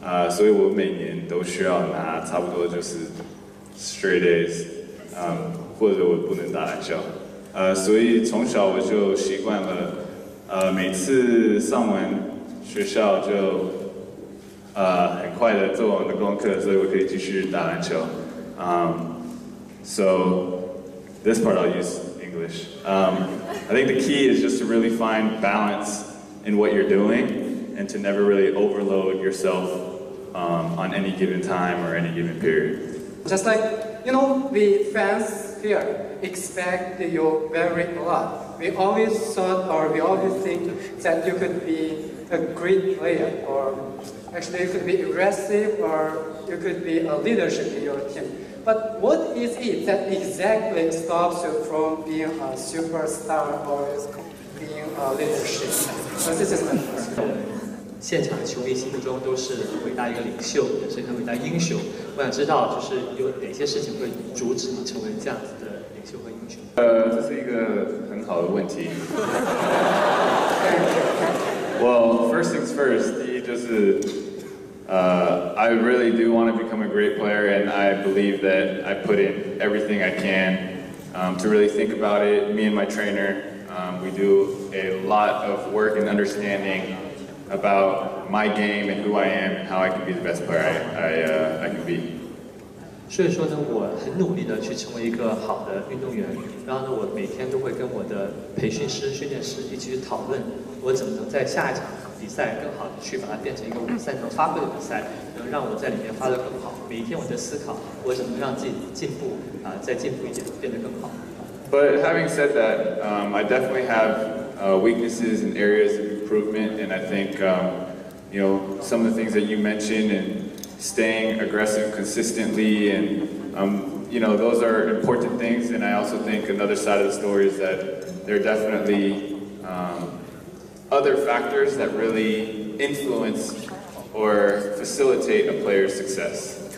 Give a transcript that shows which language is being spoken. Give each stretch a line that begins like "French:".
Chinese: 所以我每年都需要拿差不多就是
English: straight A's，
Chinese: 或者我不能打篮球。所以从小我就习惯了，每次上完学校就很快的做完的功课，所以我可以继续打篮球。
English: So this part I'll use English. I think the key is just to really find balance in what you're doing and to never really overload yourself on any given time or any given period. Just like, you know, the fans here expect you very a lot. We always thought or we always think that you could be a great player, or actually you could be aggressive, or you could be a leadership in your team. But what is it that exactly stops you from being a superstar or being a leadership? So this is my question.
Chinese: 现场球迷心目中都是伟大一个领袖，也是一个伟大英雄。我想知道，就是有哪些事情会阻止你成为这样子的领袖和英雄？这是一个很好的问题。
English: Well, first things first,
Chinese: 第一就是
English: I really do want to become a great player, and I believe that I put in everything I can to really think about it. Me and my trainer, we do a lot of work and understanding about my game and who I am and how I can be the best player I can be.
Chinese: 所以说呢，我很努力的去成为一个好的运动员。然后呢，我每天都会跟我的培训师、训练师一起去讨论，我怎么能在下一场比赛更好的去把它变成一个我擅长发挥的比赛，能让我在里面发得更好。每一天我在思考，我怎么让自己进步，再进步一点，变得更好。
English: But having said that, I definitely have weaknesses and areas of improvement, and I think you know, some of the things that you mentioned and staying aggressive consistently and you know, those are important things. And I also think another side of the story is that there are definitely other factors that really influence or facilitate a player's success.